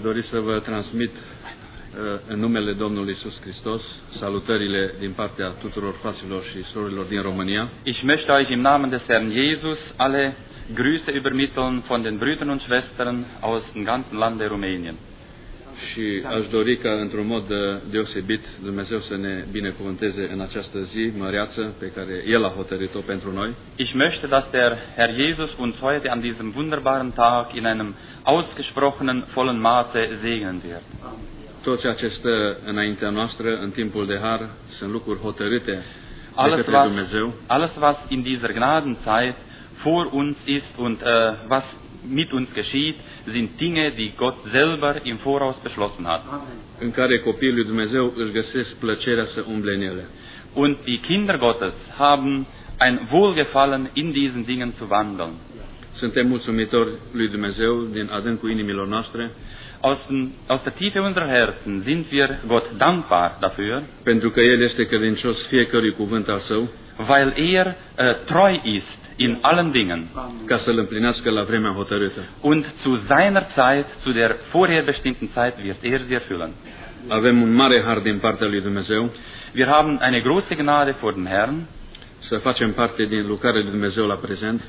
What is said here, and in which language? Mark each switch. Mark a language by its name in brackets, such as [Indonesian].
[Romanian] Să vă transmit în numele Domnului Iisus Hristos salutările din partea tuturor fraților și surorilor din România. [German] Ich möchte euch im Namen des Herrn Jesus alle Grüße übermitteln von den Brüdern und Schwestern aus dem ganzen Land der Rumänien. [Romanian] Și aș dori ca într-un mod deosebit Dumnezeu să ne binecuvânteze în această zi măreață pe care El a hotărât-o pentru noi. [German] Ich möchte, dass der Herr Jesus uns heute an diesem wunderbaren Tag in einem ausgesprochenen vollen Maße segnen wird. [Romanian] Tot ceea ce stă înaintea noastră în timpul de har sunt lucruri hotărâte [German] alles, [Romanian] de către Dumnezeu. [German] Alles was in dieser Gnadenzeit vor uns ist und was mit uns geschieht, sind Dinge, die Gott selber im Voraus beschlossen hat. [Romanian] În care copiii lui Dumnezeu își găsesc plăcerea să umble în ele. [German] Und die Kinder Gottes haben ein Wohlgefallen in diesen Dingen zu wandeln. [Romanian] Suntem mulțumitori lui Dumnezeu din adâncul inimilor noastre. [German] Aus der Tiefe unserer Herzen sind wir Gott dankbar dafür. [Romanian] Pentru că El este credincios fiecărui cuvânt al Său. [German] Weil er treu ist in allen Dingen. [Romanian] Ca să-l împlinească la vremea hotărâtă. [German] Und zu seiner Zeit, zu der vorherbestimmten Zeit, wird er sie erfüllen. [Romanian] Avem un mare har din partea lui Dumnezeu. [German] Wir haben eine große Gnade vor dem Herrn. [Romanian] Să facem parte din lucrarea lui Dumnezeu la prezent.